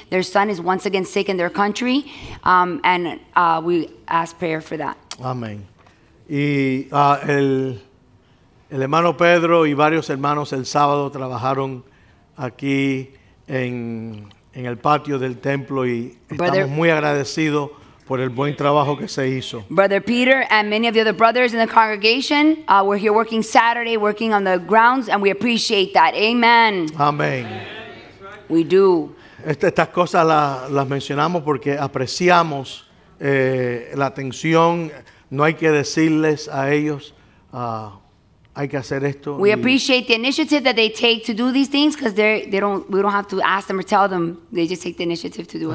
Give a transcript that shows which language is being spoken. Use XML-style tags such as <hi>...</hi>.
<en>Their son is once again sick in their country. We ask prayer for that.</en> <es>Amén. Y el hermano Pedro y varios hermanos el sábado trabajaron aquí en el patio del templo y estamos muy agradecidos por el buen trabajo que se hizo.</es> <en>Brother Peter and many of the other brothers in the congregation were here working Saturday, working on the grounds, and we appreciate that. Amen. Amen. We do.</en> <es>Estas cosas las mencionamos porque apreciamos la atención. No hay que decirles a ellos, hay que hacer esto.</es> <en>We appreciate the initiative that they take to do these things because we don't have to ask them or tell them. They just take the initiative to do it.</en>